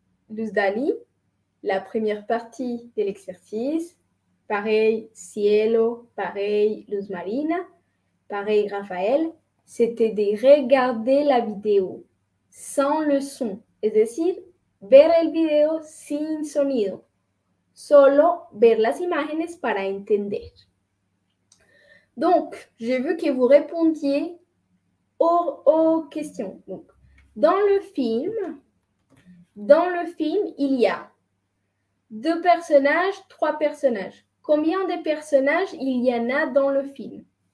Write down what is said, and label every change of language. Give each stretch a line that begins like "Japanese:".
French: Luzdali, la première partie de l'exercice, pareil Cielo, pareil Luz Marina, pareil Raphaël, c'était de regarder la vidéo sans le son, c'est-à-dire
Spanish: ver el video sin sonido. Solo ver las imágenes para entender.
French: Donc, je veux que vous répondiez aux questions. Donc, dans le film, il y a deux personnages, trois personnages. Combien de personnages il y en a dans le film?